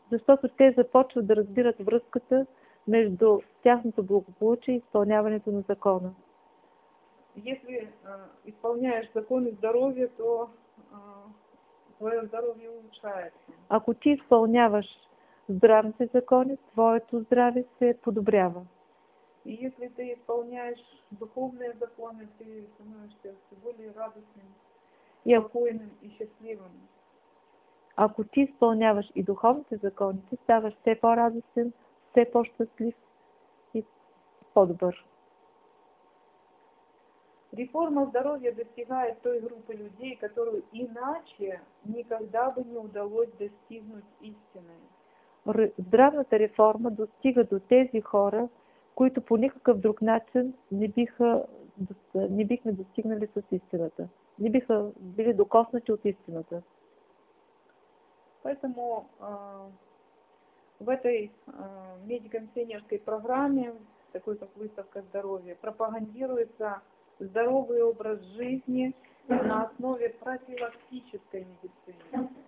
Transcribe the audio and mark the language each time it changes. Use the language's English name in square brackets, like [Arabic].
[Bulgarian] Защото те започват да разбират връзката между тяхното благополучие и изпълняването на закона. [Russian] Если исполняешь законы здоровья, то твое здоровье улучшается. [Bulgarian] Ако ти изпълняваш здравните закони, твоето здраве се подобрява. [Russian] И если ты исполняешь духовные законы, ты становишься все более радостным, спокойным и счастливым. [Bulgarian] Ако ти изпълняваш и духовните закони, ти ставаш все по-радостен, все по-щастлив и по-добър. [Russian] Реформа здоровья достигает той группы людей, которую иначе никогда бы не удалось достигнуть истины. [Bulgarian] Здравната реформа достига до тези хора, които по никакъв друг начин не бихме достигнали с истината. Не биха били докоснати от истината. [Russian] Поэтому в этой медико-миссионерской программе, такой как выставка здоровья, пропагандируется здоровый образ жизни на основе профилактической медицины.